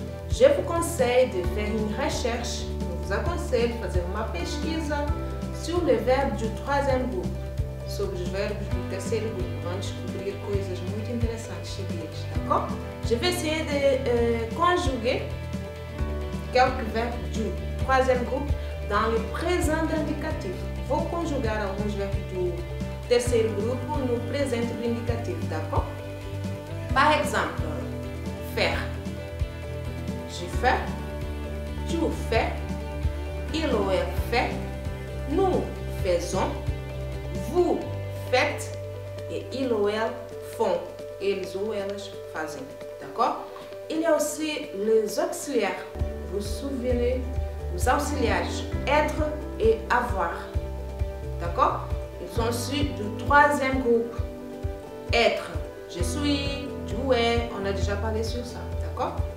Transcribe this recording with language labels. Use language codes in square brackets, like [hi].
[fr] Je vous conseille de faire une recherche. [pt] Eu vos aconselho a fazer uma pesquisa [fr] sur les verbes du troisième groupe. [pt] Sobre os verbos do terceiro grupo. Vão descobrir coisas muito interessantes sobre eles, d'accord? [fr] Je vais essayer de conjuguer quelques verbes du troisième groupe dans le présent indicatif. [pt] Vou conjugar alguns verbos do terceiro grupo no presente do indicativo, d'accord? [fr] Par exemple, faire. Je fais, tu fais, il ou elle fait, nous faisons, vous faites et il ou elle font. [pt] Eles ou elas fazem, d'accord? [fr] Il y a aussi les auxiliaires. Vous souvenez, [pt] os auxiliaires, [fr] être et avoir, d'accord? Ils sont aussi du troisième groupe. Être, je suis, tu es, on a déjà parlé sur ça, d'accord?